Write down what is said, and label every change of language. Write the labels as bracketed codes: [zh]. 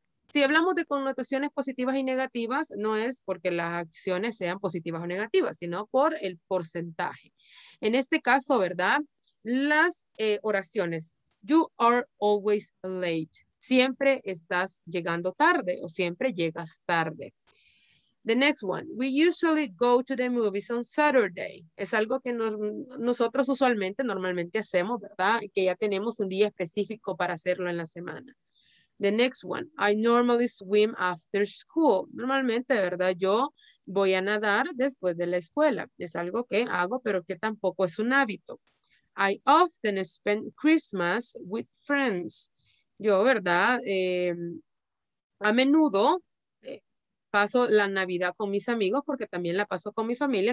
[es] Si hablamos de connotaciones positivas y negativas, no es porque las acciones sean positivas o negativas, sino por el porcentaje. En este caso, ¿verdad? Las oraciones. [en] You are always late. [es] Siempre estás llegando tarde o siempre llegas tarde. [en] The next one. We usually go to the movies on Saturday. [es] Es algo que nosotros usualmente, normalmente hacemos, ¿verdad? Que ya tenemos un día específico para hacerlo en la semana. [en] The next one, I normally swim after school. [es] Normalmente, ¿verdad? Yo voy a nadar después de la escuela. Es algo que hago, pero que tampoco es un hábito. [en] I often spend Christmas with friends. [es] Yo, ¿verdad? A menudo paso la Navidad con mis amigos porque también la paso con mi familia.